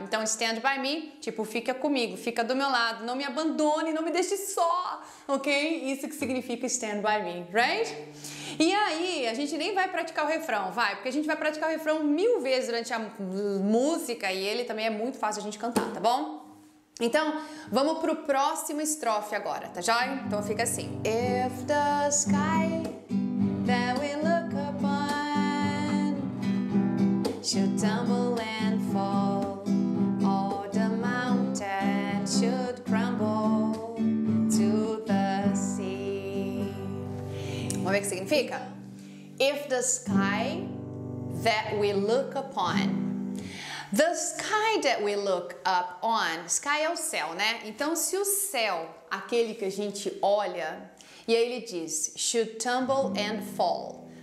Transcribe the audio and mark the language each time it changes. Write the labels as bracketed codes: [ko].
[pt] Então, [en] stand by me, [pt] tipo, fica comigo, fica do meu lado, não me abandone, não me deixe só, ok? Isso que significa [en] stand by me, right? [pt] E aí, a gente nem vai praticar o refrão, vai, porque a gente vai praticar o refrão mil vezes durante a música e ele também é muito fácil a gente cantar, tá bom? Então, vamos pro próximo estrofe agora, tá joia? Então fica assim. [en] If the sky that we look upon should tumble and fall, or the mountain should crumble to the sea. [pt] Vamos ver o que significa? [en] If the sky that we look upon. The sky that we look up on, sky [pt] é o céu, né? Então, se o céu, aquele que a gente olha, e aí ele diz, [en] should tumble and fall.